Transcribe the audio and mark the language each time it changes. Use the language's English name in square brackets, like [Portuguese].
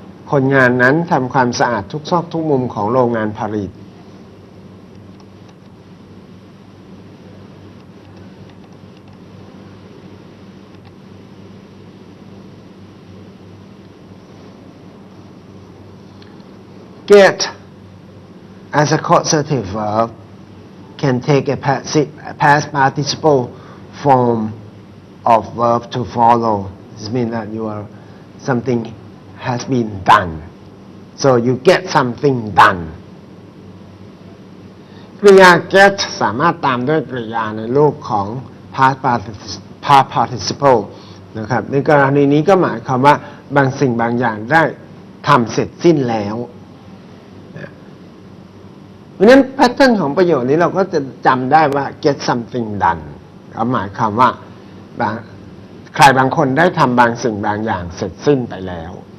[Thai] คนงานนั้นทำความสะอาดทุกซอกทุกมุมของโรงงานผลิต [English] get as a causative verb can take a past participle form of verb to follow. This means that you are something has been done. So you get something done. [Thai] กริยา get สามารถตามด้วยกริยาในรูปของ past participle นะครับในกรณีนี้ก็หมายความว่าบางสิ่งบางอย่างได้ทำเสร็จสิ้นแล้วเพราะนั้นแพทเทิร์นของประโยคนี้เราก็จะจำได้ว่า get something done หมายความว่าใครบางคนได้ทำบางสิ่งบางอย่างเสร็จสิ้นไปแล้ว